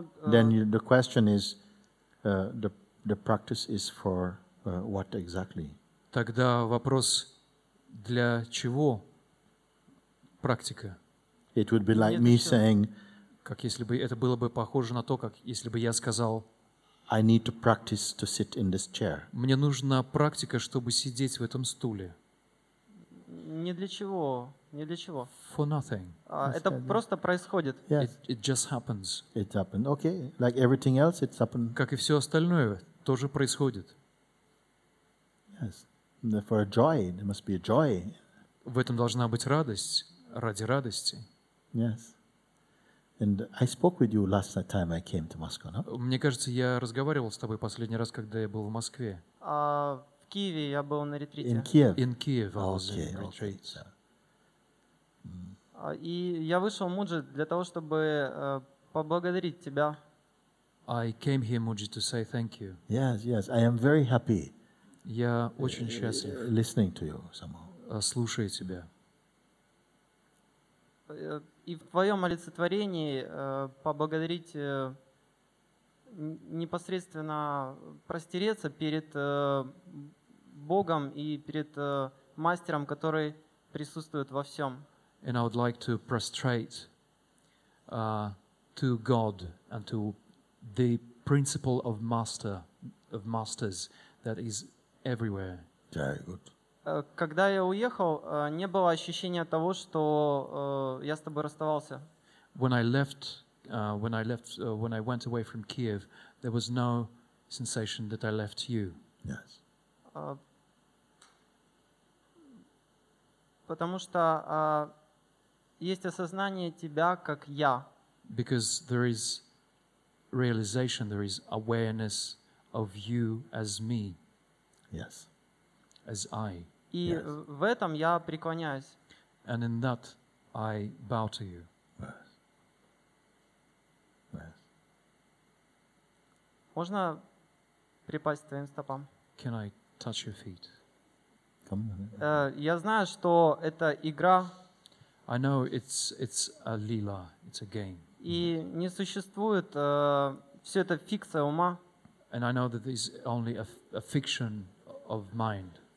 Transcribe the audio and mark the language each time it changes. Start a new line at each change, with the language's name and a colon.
English: Then the question is, the practice is for what exactly?
Russian: Тогда вопрос, для чего практика?
English: It would be like me saying,
Russian: как если бы это было бы похоже на то, как если бы я сказал,
English: I need to practice to sit in this chair.
Russian: Мне нужна практика, чтобы сидеть в этом стуле. Не для чего, не для чего.
English: For nothing.
Russian: Это просто происходит.
English: Yes. It just happens. It happened. Okay. Like everything else, it's happened.
Russian: Как и все остальное, тоже происходит.
English: Yes. For a joy, there must be a joy.
Russian: В этом должна быть радость ради радости.
English: Yes. And I spoke with you last time I came to Moscow, no?
Russian: Мне кажется, я разговаривал с тобой последний раз, когда я был в Москве. В Киеве я был на ретрите.
English: In Kiev. In Kiev. Okay.
Russian: И я вышел, Муджи, для того, чтобы поблагодарить тебя.
English: I came here, Муджи, to say thank you. Yes, yes. I am very happy.
Russian: Я очень счастлив.
English: Listening to you somehow.
Russian: Слушаю тебя. И в твоем олицетворении поблагодарить непосредственно простереться перед Богом и перед мастером, который присутствует во всем.
English: And I would like to prostrate to God and to the principle of master, of masters that is everywhere. Very good.
Russian: Когда я уехал, не было ощущения того, что я с тобой расставался.
English: when I went away from Kiev, there was no sensation that I left you. Yes.
Russian: Потому что есть осознание тебя как я.
English: Because there is realization, there is awareness of you as me. Yes. As I.
Russian: И yes. В этом я преклоняюсь.
English: And in that I bow to you.
Russian: Можно припасть твоим стопам?
English: Can I touch your feet? Come.
Russian: Я знаю, что это игра.
English: I know it's a lila, it's a game.
Russian: И не существует все это фикция ума.
English: And I know that this is only a fiction of mind.